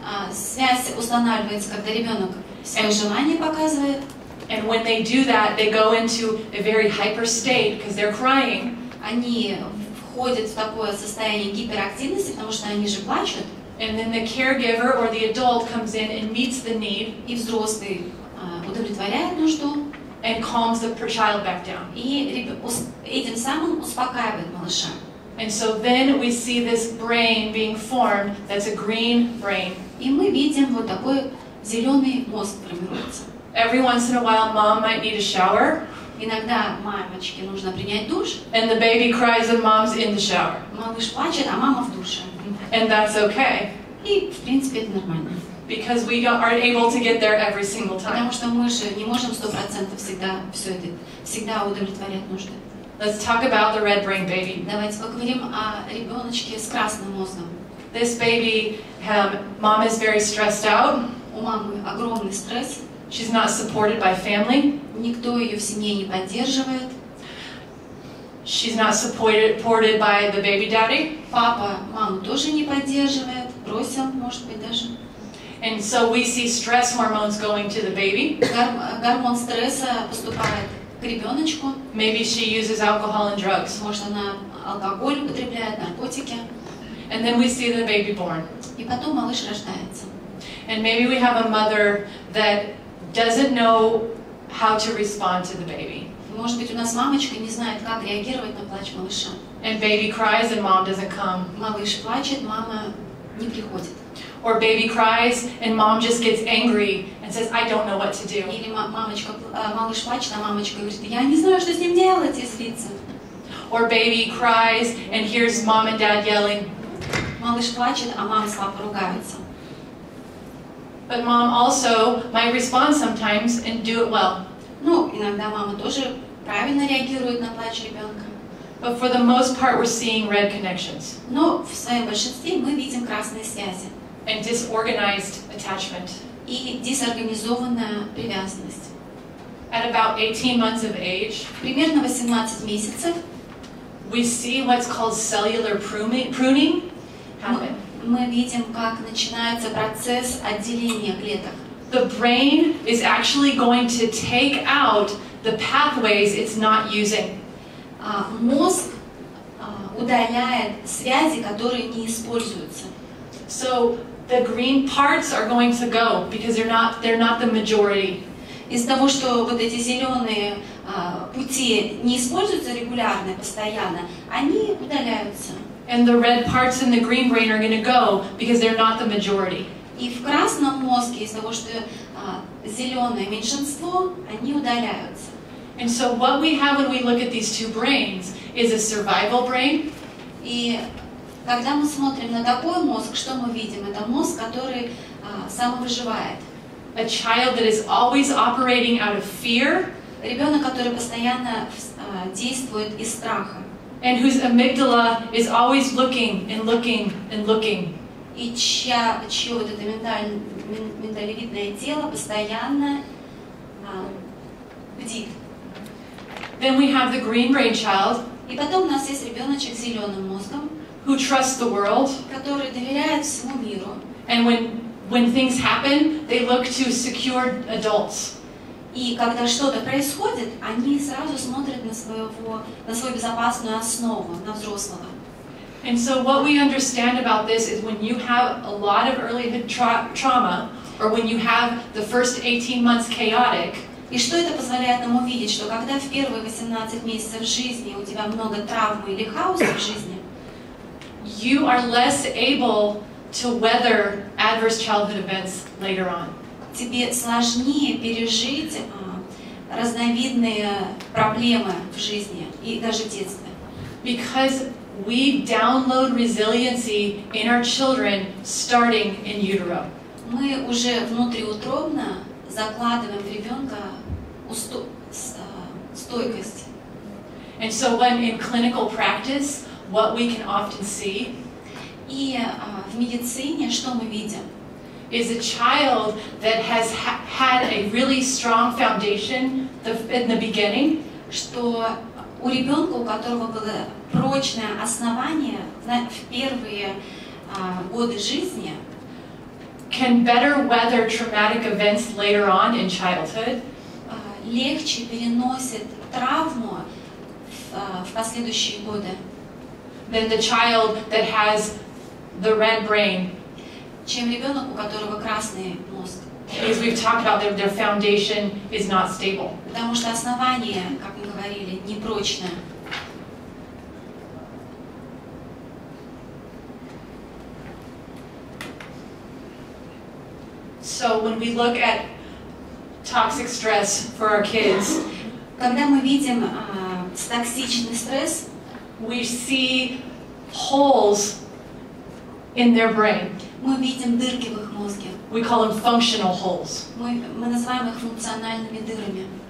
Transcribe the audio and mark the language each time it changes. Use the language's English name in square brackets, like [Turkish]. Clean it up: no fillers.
[Russian] Связь устанавливается, когда ребенок свое желание показывает. [English] And when they do that, they go into a very hyper state because they're crying. [Russian] Они входят в такое состояние гиперактивности, потому что они же плачут. [English] And then the caregiver or the adult comes in and meets the need. [Russian] И взрослый удовлетворяет нужду. [English] And calms the child back down. [Russian] И этим самым успокаивает малыша. [English] And so then we see this brain being formed. That's a green brain. [Russian] И мы видим вот такой зеленый мозг формируется. [English] Every once in a while, mom might need a shower. [Russian] Иногда мамочке нужно принять душ. [English] And the baby cries and mom's in the shower. [Russian] Малыш плачет, а мама в душе. [English] And that's okay. [Russian] И в принципе это нормально. [English] Because we aren't able to get there every single time. [Russian] Потому что мы же не можем 100% всегда все это всегда удовлетворять нужды. [English] Let's talk about the red brain baby. [Russian] Давайте поговорим о ребеночке с красным мозгом. [English] This baby, mom is very stressed out. [Russian] У мамы огромный стресс. [English] She's not supported by family. [Russian] Никто ее в семье не поддерживает. [English] She's not supported by the baby daddy. [Russian] Папа маму тоже не поддерживает, бросил, может быть, даже. [English] And so we see stress hormones going to the baby. [Russian] Гормон стресса поступает к ребеночку. [English] Maybe she uses alcohol and drugs. [Russian] Может, она алкоголь употребляет, наркотики. [English] And then we see the baby born. [Russian] И потом малыш рождается. [English] And maybe we have a mother that doesn't know how to respond to the baby. [Russian] Может быть, у нас мамочка не знает, как реагировать на плач малыша. [English] And baby cries and mom doesn't come. [Russian] Малыш плачет, мама не приходит. [English] Or baby cries and mom just gets angry and says, I don't know what to do. [Russian] Или мамочка, малыш плачет, а мамочка говорит, я не знаю, что с ним делать, и злится. [English] Or baby cries and hears mom and dad yelling. [Russian] Малыш плачет, а мама с папой ругаются. [English] But mom also might respond sometimes and do it well. [Russian] Ну, иногда мама тоже правильно реагирует на плач ребенка. [English] But for the most part, we're seeing red connections. [Russian] Но в своем большинстве мы видим красные связи. [English] And disorganized attachment. [Russian] И дезорганизованная привязанность. [English] At about 18 months of age, [Russian] примерно 18 месяцев, [English] we see what's called cellular pruning happen. [Russian] Мы видим, как начинается процесс отделения клеток. [English] The brain is actually going to take out the pathways it's not using. [Russian] Мозг удаляет связи, которые не используются. [English] So the green parts are going to go because they're not the majority. [Russian] Из того, что вот эти зеленые пути не используются регулярно, постоянно, они удаляются. [English] And the red parts in the green brain are going to go because they're not the majority. [Russian] И в красном мозге из того, что зеленое меньшинство, они удаляются. [English] And so what we have when we look at these two brains is a survival brain. [Russian] И когда мы смотрим на такой мозг, что мы видим? Это мозг, который самовыживает. [English] A child that is always operating out of fear. [Russian] Ребенок, который постоянно действует из страха. [English] And whose amygdala is always looking and looking and looking. [Russian] И чье вот это миндалевидное тело постоянно бдит. [English] Then we have the green brain child. [Russian] И потом у нас есть ребеночек с зеленым мозгом. [English] Who trusts the world? [Russian] Который доверяет всему миру. [English] And when things happen, they look to secure adults. [Russian] И когда что-то происходит, они сразу смотрят на свою безопасную основу, на взрослого. [English] And so what we understand about this is when you have a lot of early trauma, or when you have the first 18 months chaotic. [Russian] И что это позволяет нам увидеть, что когда в первые 18 месяцев жизни у тебя много травм или хаоса в жизни. [English] You are less able to weather adverse childhood events later on. [Russian] Тебе сложнее пережить разновидные проблемы в жизни и даже детстве. [English] Because we download resiliency in our children starting in utero. [Russian] Мы уже внутриутробно закладываем в ребенка стойкость. [English] And so when in clinical practice, what we can often see [Russian] и, в медицине, что мы видим? [English] Is a child that has had a really strong foundation in the beginning, [Russian] что у ребенка, у которого было прочное основание в первые годы жизни, [English] can better weather traumatic events later on in childhood, [Russian] легче переносит травму в последующие годы, [English] than the child that has the red brain, [Russian] чем ребенок, у которого красный мозг. [English] As we've talked about, their foundation is not stable. [Russian] Потому что основание, как мы говорили, непрочное. [English] So when we look at toxic stress for our kids, [Russian] когда мы видим токсичный стресс, [English] we see holes in their brain. [Russian] Мы видим дырки в их мозге. [English] We call them functional holes. [Russian] Мы называем их функциональными дырами.